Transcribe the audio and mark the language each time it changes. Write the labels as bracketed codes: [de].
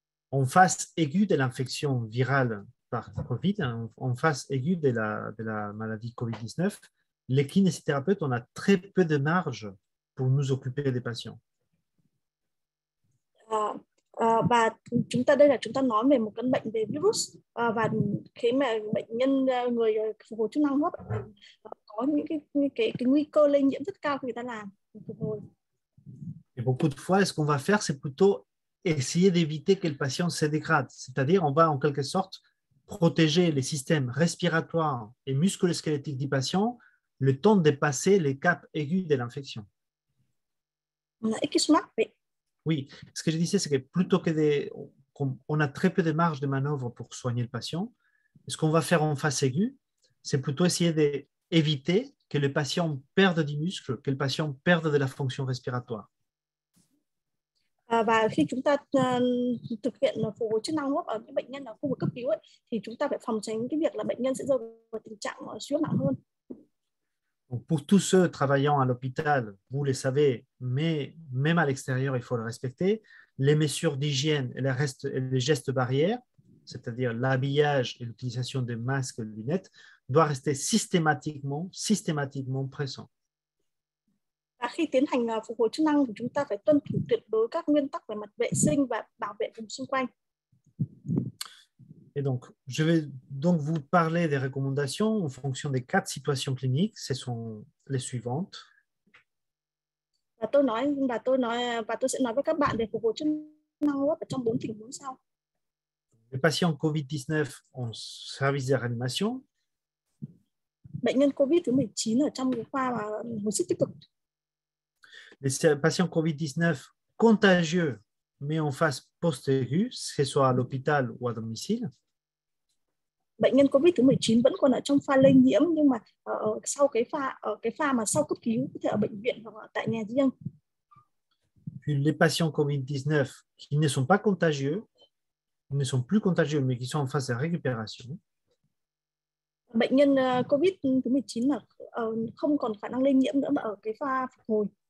[fr] En phase aiguë de l'infection virale, COVID, en phase aiguë de la maladie COVID-19, les kinésithérapeutes, on a très peu de marge pour nous occuper des patients. [vi] Và chúng ta đây là chúng ta nói về một căn bệnh về virus và khi mà bệnh nhân người phục hồi chức năng hô hấp có những cái nguy cơ lây nhiễm rất cao khi người ta làm phục hồi. [fr] Et beaucoup de fois, ce qu'on va faire, c'est plutôt essayer d'éviter que le patient se dégrade. C'est-à-dire, on va en quelque sorte protéger les systèmes respiratoires et musculo-squelettiques du patient le temps de passer les caps aigus de l'infection. Oui, ce que je disais, c'est que plutôt que qu'on a très peu de marge de manœuvre pour soigner le patient, ce qu'on va faire en phase aiguë, c'est plutôt essayer d'éviter que le patient perde du muscle, que le patient perde de la fonction respiratoire. [vi] Và khi chúng ta thực hiện phục hồi chức năng hô hấp ở những bệnh nhân ở khu vực cấp cứu ấy, thì chúng ta phải phòng tránh cái việc là bệnh nhân sẽ rơi vào tình trạng suy hô hấp nặng hơn. [fr] Donc pour tous ceux travaillant à l'hôpital, vous le savez, mais même à l'extérieur, il faut le respecter. Les mesures d'hygiène et les gestes barrières, c'est-à-dire l'habillage et l'utilisation des masques et des lunettes, doivent rester systématiquement présents. [vi] Khi tiến hành phục hồi chức năng thì chúng ta phải tuân thủ tuyệt đối các nguyên tắc về mặt vệ sinh và bảo vệ vùng xung quanh. [fr] Et donc, je vais donc vous parler des recommandations en fonction des quatre situations cliniques. Ce sont les suivantes. [vi] Và tôi sẽ nói với các bạn về phục hồi chức năng ở trong bốn tình huống sau. [fr] Les patients COVID-19 en service de réanimation. [vi] Bệnh nhân COVID-19 ở trong khoa hồi sức tích cực. [fr] Les patients COVID-19 contagieux, mais en phase post-aiguë, que ce soit à l'hôpital ou à domicile. [vi] Bệnh nhân COVID-19 vẫn còn ở trong pha lây nhiễm, nhưng mà sau cái pha mà sau cấp cứu, có thể ở bệnh viện hoặc tại nhà riêng. [fr] Puis les patients COVID-19 qui ne sont pas contagieux, ne sont plus contagieux, mais qui sont en phase de récupération. [vi] Bệnh nhân COVID-19 không còn khả năng lây nhiễm nữa, mà ở cái pha phục hồi.